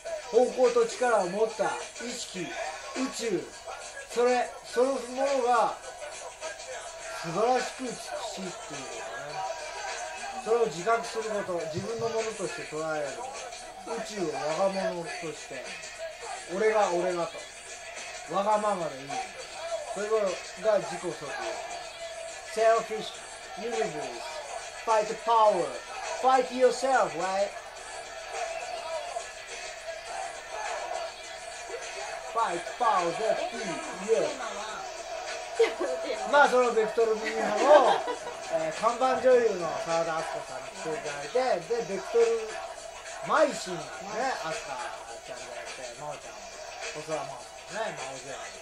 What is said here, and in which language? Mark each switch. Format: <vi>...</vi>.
<ja>方向と力を持った意識、宇宙、それ、そのものが素晴らしく美しいっていうことね。それを自覚すること、自分のものとして捉える、宇宙を我が物として、俺が俺がと、わがままでいい、それが自己即興。</ja> <en>Selfish universe Fight the power Fight yourself, right? Fight power, that's it, yes</en> <ja>まあ、そのベクトル美人派を看板女優の澤田明日香さんに来ていただいて、で、ベクトル邁進ね、明日香ちゃんがやって、真央ちゃんも、細田真央ね、真央ちゃん</ja>